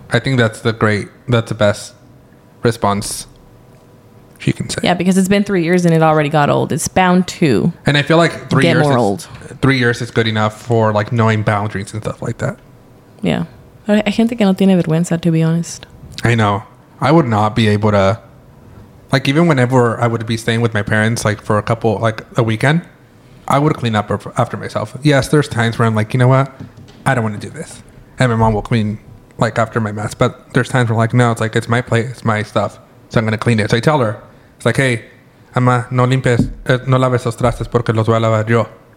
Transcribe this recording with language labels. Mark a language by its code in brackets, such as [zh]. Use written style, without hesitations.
[en] I think that's the best response she can say. Yeah, because it's been 3 years and it already got old. It's bound to. And I feel like 3 years. More is, old. 3 years is good enough for, like, knowing boundaries and stuff like that. Yeah. [es] Hay gente que no tiene vergüenza, [en] to be honest. I know. I would not be able to. Like, even whenever I would be staying with my parents, like, for a couple, like, a weekend, I would clean up after myself. Yes, there's times where I'm like, you know what? I don't want to do this. And my mom will clean, like, after my mess. But there's times where I'm like, no, it's like, it's my plate, it's my stuff. So I'm going to clean it. So I tell her, it's like, hey, ama, [es] no limpies, no laves esos trastes porque los voy a lavar yo.